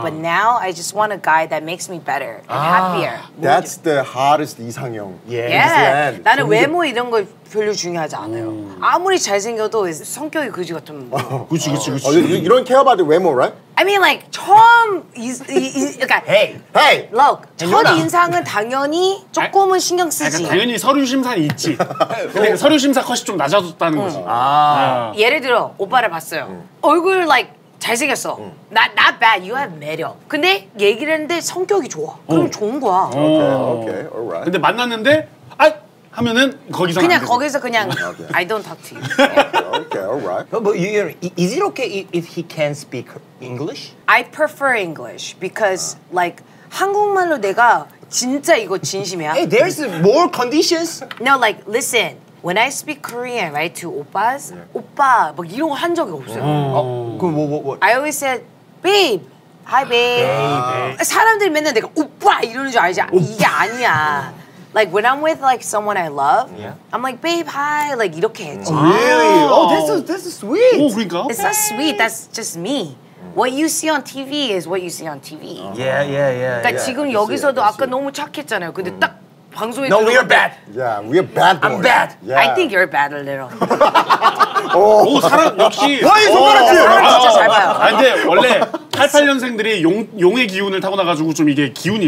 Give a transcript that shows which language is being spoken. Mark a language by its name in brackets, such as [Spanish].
[English] But now I just want a guy that makes me better and happier. That's the hardest 이상형. Yeah. Yeah. [Korean] 나는 외모 이런 거 별로 중요하지 않아요. 아무리 잘생겨도 성격이 그지 같으면 뭐. 그치, 그치, 그치. [English] You don't care about the 외모, right? I mean, like, [Korean] 처음... 그러니까, [English] hey! [Korean] Look, 첫 인상은 당연히 조금은 신경 쓰지. 당연히 서류 심사는 있지. 근데 서류 심사 컷이 좀 낮아졌다는 거지. 예를 들어, 오빠를 봤어요. 얼굴, [English] like, [Korean] 잘생겼어. [English] Not bad, you have 매력. [Korean] 근데 얘기를 했는데 성격이 좋아. 그럼 좋은 거야. [English] Okay, alright. [Korean] 근데 만났는데, 하면은 거기서 그냥 거기서 그냥 [English] okay. I don't talk to you. Okay, alright. But you, is it okay if he can speak English? I prefer English because like [Korean] 한국말로 내가 진짜 이거 진심이야. [English] Hey, there's more conditions. No, like listen. When I speak Korean, right, to 오빠's, [Korean] 오빠 막 이런 거 한 적이 없어요. 그럼 [English] what? I always said, babe. Hi, babe. Babe. [Korean] 사람들이 맨날 내가 오빠 이러는 줄 알지? 이게 아니야. [English] Like when I'm with like someone I love, I'm like, babe, hi. [Korean] Like 이렇게 했지. [English] Oh, really? Oh, this is sweet. [Korean] Oh, 그러니까. [English] It's not sweet. That's just me. What you see on TV is what you see on TV. Yeah. [Korean] 그러니까 [English] yeah, [Korean] 지금 여기서도 아까 너무 착했잖아요. 근데 딱 방송에. [English] No, we are bad. Yeah, we are bad. Boys. I'm bad. Yeah. I think you're bad a little. [Korean] 오, 사람 역시. 와이 손가락질. 사람 진짜 잘 봐요. 아, 근데 원래 88년생들이 용의 기운을 타고나가지고 좀 이게 기운이.